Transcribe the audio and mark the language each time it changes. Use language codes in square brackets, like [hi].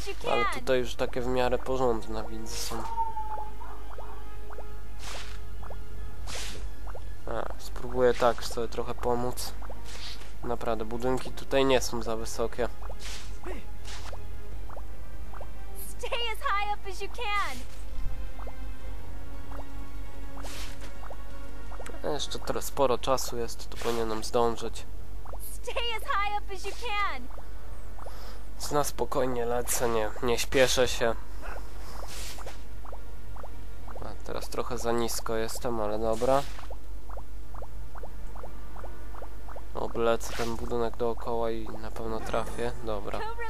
[pl] Ale tutaj już takie w miarę porządne, więc są. A, spróbuję tak sobie trochę pomóc. Naprawdę, budynki tutaj nie są za wysokie. [en] Stay as high up as you can. [pl] Jeszcze teraz sporo czasu jest, to powinienem zdążyć. [en] Stay as high up as you can. [pl] Na spokojnie lecę, nie śpieszę się. A teraz trochę za nisko jestem, ale dobra. Oblecę ten budynek dookoła i na pewno trafię. Dobra.